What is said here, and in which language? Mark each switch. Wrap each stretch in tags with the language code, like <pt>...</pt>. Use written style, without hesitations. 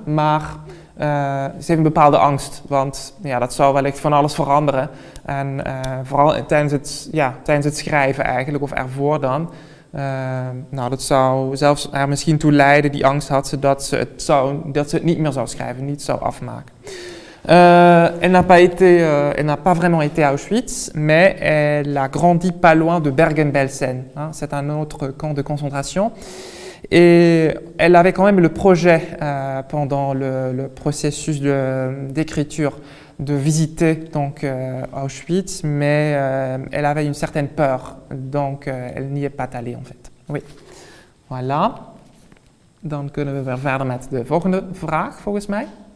<nl>Maar ze heeft een bepaalde angst. Want ja, dat zou wellicht van alles veranderen. En vooral tijdens het schrijven eigenlijk, of ervoor dan. Dat zou zelfs haar misschien toe leiden, die angst had ze, dat ze het niet meer zou schrijven, niet zou afmaken.</nl> <fr>Elle n'a pas vraiment été à Auschwitz, mais elle a grandi pas loin de Bergen-Belsen. Hein, c'est un autre camp de concentration. Et elle avait quand même le projet, pendant le processus d'écriture, de visiter donc Auschwitz, mais elle avait une certaine peur, donc elle n'y est pas allée en fait. Oui. Voilà.</fr> <nl>Dan kunnen we weer verder met de volgende vraag, volgens mij.</nl>